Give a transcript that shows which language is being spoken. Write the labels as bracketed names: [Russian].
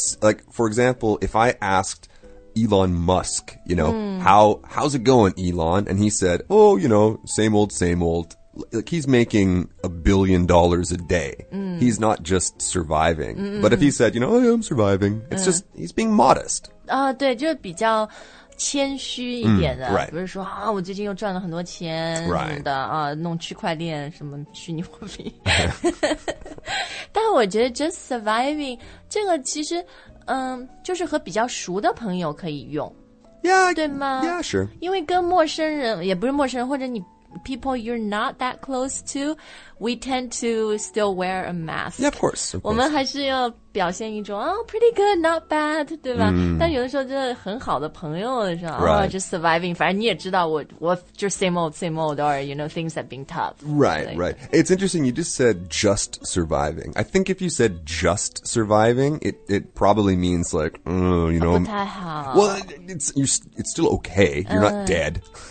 [English] Like, for example, if I asked Elon Musk, you know, how's it going, Elon? And he said, oh, you know, same old. Like he's making $1 billion a day. He's not just surviving. But if he said, you know, I am surviving, it's just, he's being modest. [Chinese] 对，就比较谦虚一点的。 [English] Right. [Chinese] 不是说啊，我最近又赚了很多钱什么的啊，弄区块链什么虚拟货币。但我觉得 [English] just surviving, [Chinese] 这个其实就是和比较熟的朋友可以用。 [English] Yeah. [Chinese] 对吗 [English] Yeah, sure. [Chinese] 因为跟陌生人，也不是陌生人，或者你 [English] people you're not that close to, we tend to still wear a mask. Yeah, of course. Of course. [Chinese] 我们还是要表现一种、 [English] oh, pretty good, not bad, [Chinese] 对吧、mm. 但有的时候真的很好的朋友是吧、 [English] right. oh, just surviving. [Chinese] 反正你也知道 [English] what, just same old, or, you know, things have been tough. Right, like, right. It's interesting, you just said just surviving. I think if you said just surviving, it probably means like, you know. [Chinese] 不太好。 [English] Well, it's still okay. You're not dead.